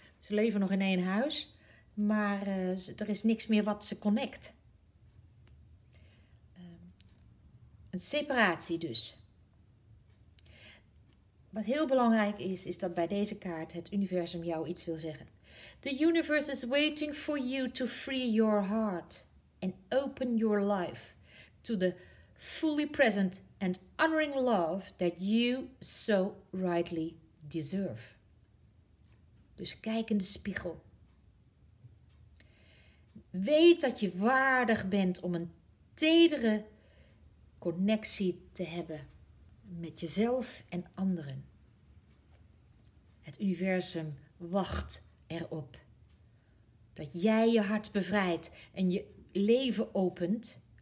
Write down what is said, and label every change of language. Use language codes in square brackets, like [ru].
[nl] Ze leven nog in één huis, maar er is niks meer wat ze connect. Een separatie dus. Wat heel belangrijk is, is dat bij deze kaart het universum jou iets wil zeggen. [en] The universe is waiting for you to free your heart and open your life to the fully present and honoring love that you so rightly deserve. [nl] Dus kijk in de spiegel. Weet dat je waardig bent om een tedere connectie te hebben met jezelf en anderen. Het universum wacht erop dat jij je hart bevrijdt en je leven opent.